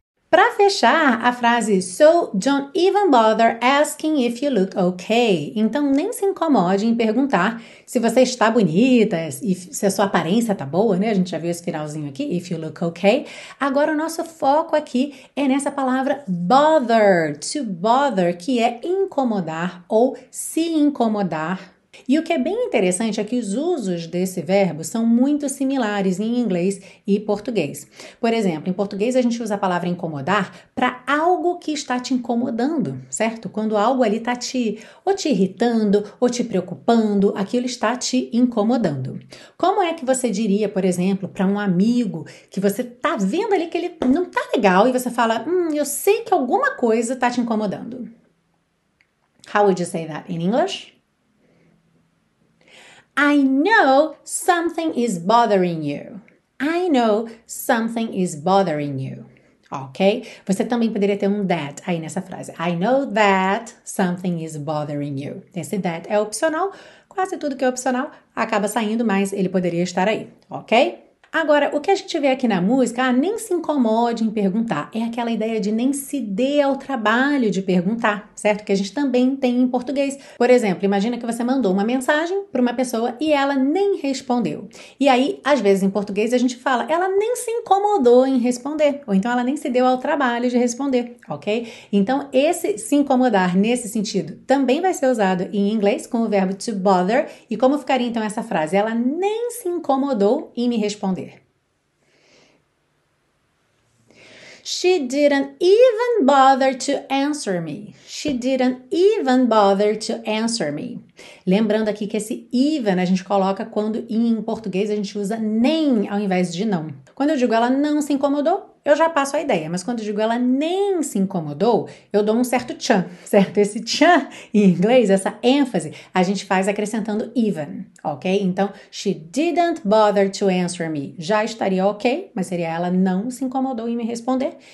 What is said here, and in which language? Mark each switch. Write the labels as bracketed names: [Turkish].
[Portuguese] Para fechar a frase, [English] so don't even bother asking if you look okay. [Portuguese] Então, nem se incomode em perguntar se você está bonita, se a sua aparência está boa, né? A gente já viu esse finalzinho aqui, [English] if you look okay. [Portuguese] Agora, o nosso foco aqui é nessa palavra bother, to bother, que é incomodar ou se incomodar. E o que é bem interessante é que os usos desse verbo são muito similares em inglês e português. Por exemplo, em português a gente usa a palavra incomodar para algo que está te incomodando, certo? Quando algo ali está te irritando ou te preocupando, aquilo está te incomodando. Como é que você diria, por exemplo, para um amigo que você está vendo ali que ele não está legal e você fala, eu sei que alguma coisa está te incomodando? [English] How would you say that in English? I know something is bothering you. I know something is bothering you. Ok? [Portuguese] Você também poderia ter that aí nessa frase. [English] I know that something is bothering you. [Portuguese] Esse that é opcional. Quase tudo que é opcional acaba saindo, mas ele poderia estar aí. Ok? Agora, o que a gente vê aqui na música, nem se incomode em perguntar. É aquela ideia de nem se dê ao trabalho de perguntar, certo? Que a gente também tem em português. Por exemplo, imagina que você mandou uma mensagem para uma pessoa e ela nem respondeu. E aí, às vezes, em português, a gente fala, ela nem se incomodou em responder. Ou então, ela nem se deu ao trabalho de responder, ok? Então, esse se incomodar nesse sentido também vai ser usado em inglês com o verbo to bother. E como ficaria, então, essa frase? Ela nem se incomodou em me responder. [English] She didn't even bother to answer me. She didn't even bother to answer me. [Portuguese] Lembrando aqui que esse even a gente coloca quando em português a gente usa nem ao invés de não. Quando eu digo ela não se incomodou, eu já passo a ideia, mas quando eu digo ela nem se incomodou, eu dou um certo tchan, certo? Esse tchan em inglês, essa ênfase, a gente faz acrescentando even, ok? [English] Então, she didn't bother to answer me. [Portuguese] Já estaria ok, mas seria ela não se incomodou em me responder.